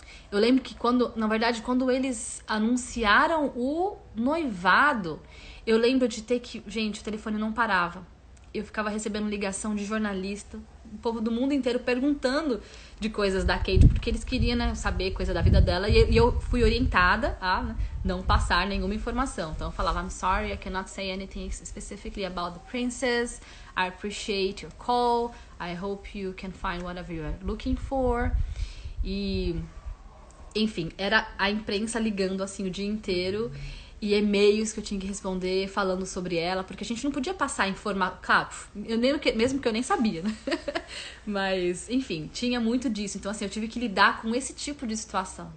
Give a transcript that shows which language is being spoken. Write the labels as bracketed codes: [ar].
[pt] Eu lembro que na verdade, quando eles anunciaram o noivado, eu lembro de ter que. Gente, o telefone não parava. Eu ficava recebendo ligação de jornalista, o povo do mundo inteiro perguntando de coisas da Kate, porque eles queriam, né, saber coisa da vida dela. E eu fui orientada a não passar nenhuma informação. [en] Então eu falava, I'm sorry, I cannot say anything specifically about the princess. I appreciate your call. I hope you can find whatever you are looking for. [pt] E. Enfim, era a imprensa ligando assim o dia inteiro e e-mails que eu tinha que responder falando sobre ela, porque a gente não podia passar informação. Claro, eu nem, mesmo que eu nem sabia, né? Mas, enfim, tinha muito disso. Então, assim, eu tive que lidar com esse tipo de situação.